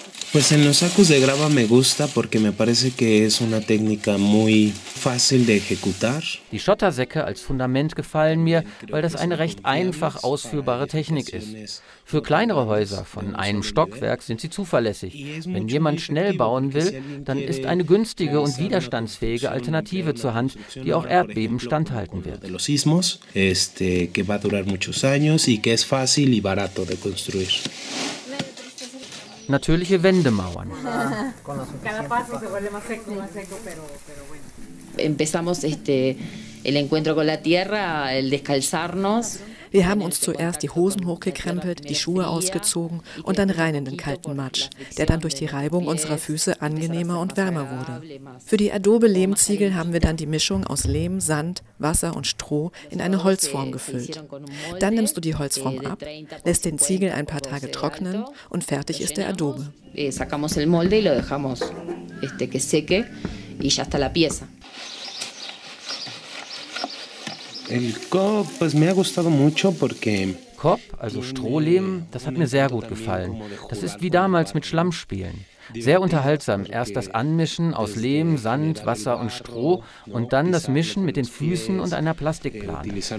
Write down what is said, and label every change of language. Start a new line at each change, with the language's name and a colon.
Spanish: Pues en los sacos de grava me gusta porque me parece que es una técnica muy fácil de ejecutar.
German: Die Schottersäcke als Fundament gefallen mir, weil das eine recht einfach ausführbare Technik ist. Für kleinere Häuser von einem Stockwerk sind sie zuverlässig. Wenn jemand schnell bauen will, dann ist eine günstige und widerstandsfähige Alternative zur Hand, die auch Erdbeben standhalten wird.
Spanish: Los sismos, que va a durar muchos años y que es fácil y barato de construir.
German: Natürliche Wändemauern.
Spanish: Empezamos el encuentro con la tierra, el descalzarnos.
German: Wir haben uns zuerst die Hosen hochgekrempelt, die Schuhe ausgezogen und dann rein in den kalten Matsch, der dann durch die Reibung unserer Füße angenehmer und wärmer wurde. Für die Adobe-Lehmziegel haben wir dann die Mischung aus Lehm, Sand, Wasser und Stroh in eine Holzform gefüllt. Dann nimmst du die Holzform ab, lässt den Ziegel ein paar Tage trocknen und fertig ist der Adobe.
Spanish: Sacamos el molde y lo dejamos que seque y ya está la pieza.
German: Kop, also Strohlehm, das hat mir sehr gut gefallen. Das ist wie damals mit Schlamm spielen. Sehr unterhaltsam, erst das Anmischen aus Lehm, Sand, Wasser und Stroh und dann das Mischen mit den Füßen und einer Plastikplane.